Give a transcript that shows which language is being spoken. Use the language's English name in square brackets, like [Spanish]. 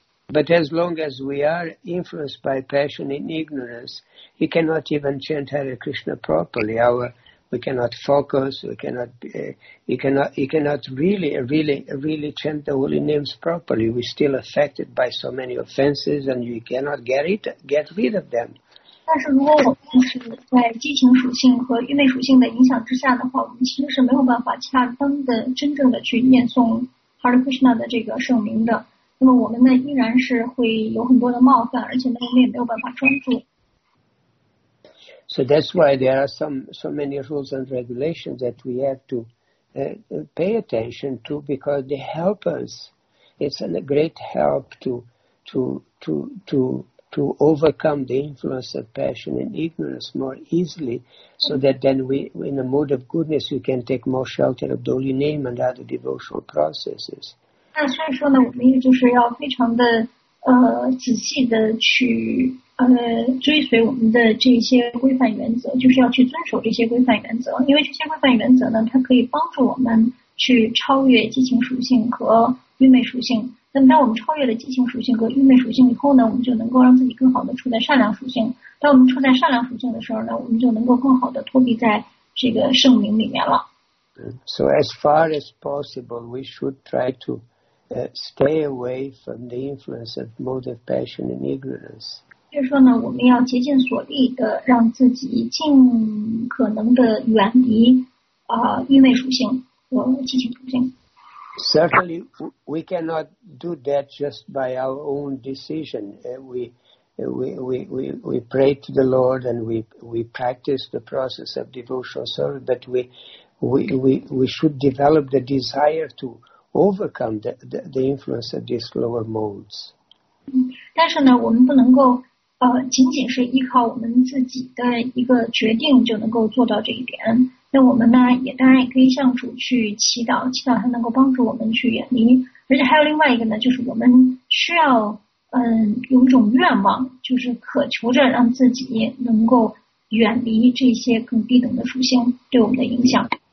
[English] But as long as we are influenced by passion and ignorance, we cannot even chant Hare Krishna properly. We cannot focus. We cannot really chant the holy names properly. We're still affected by so many offenses, and we cannot get rid of them. [Chinese] 但是如果我们是在激情属性和欲昧属性的影响之下的话，我们其实是没有办法恰当的、真正的去念诵 Hare Krishna 的这个圣名的。那么我们呢，依然是会有很多的冒犯，而且呢，我们也没有办法专注。 [English] So that's why there are so many rules and regulations that we have to pay attention to, because they help us. It's a great help to overcome the influence of passion and ignorance more easily, so that then we, in a mode of goodness, we can take more shelter of the holy name and other devotional processes. [Chinese] 那所以说呢，我们就是要非常的仔细的去追随我们的这些规范原则，就是要去遵守这些规范原则，因为这些规范原则呢，它可以帮助我们去超越激情属性和欲昧属性。那么当我们超越了激情属性和欲昧属性以后呢，我们就能够让自己更好的处在善良属性。当我们处在善良属性的时候呢，我们就能够更好的脱离在这个圣名里面了。 [English] So as far as possible, we should try to stay away from the influence of mode of passion and ignorance. [Chinese] 就是说呢，我们要竭尽所力的让自己尽可能的远离欲昧属性和激情属性。 [English] Certainly, we cannot do that just by our own decision. We pray to the Lord and we practice the process of devotional service, but we should develop the desire to overcome the influence of these lower modes. [Chinese] 但是呢，我们不能够仅仅是依靠我们自己的一个决定就能够做到这一点。那我们呢，也当然也可以向主去祈祷，祈祷他能够帮助我们去远离。而且还有另外一个呢，就是我们需要有一种愿望，就是渴求着让自己能够远离这些更低等的属性对我们的影响。